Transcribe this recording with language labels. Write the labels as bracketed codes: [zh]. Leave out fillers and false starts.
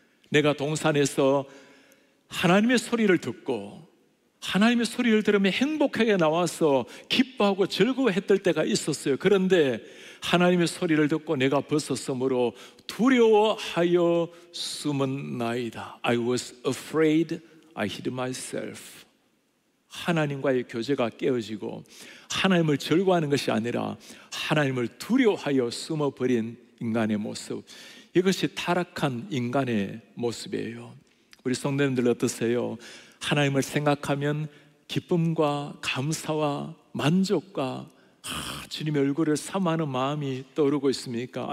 [ko] 내가 동산에서 하나님의 소리를 듣고 하나님의 소리를 들으면 행복하게 나와서 기뻐하고 즐거워했을 때가 있었어요. 그런데 하나님의 소리를 듣고 내가 벗었으므로 두려워하여 숨은 나이다. [en] I was afraid, I hid myself. [ko] 하나님과의 교제가 깨어지고 하나님을 즐거워하는 것이 아니라 하나님을 두려워하여 숨어버린 인간의 모습, 이것이 타락한 인간의 모습이에요. 우리 성도님들 어떠세요? 하나님을 생각하면 기쁨과 감사와 만족과 주님의 얼굴을 사모하는 마음이 떠오르고 있습니까?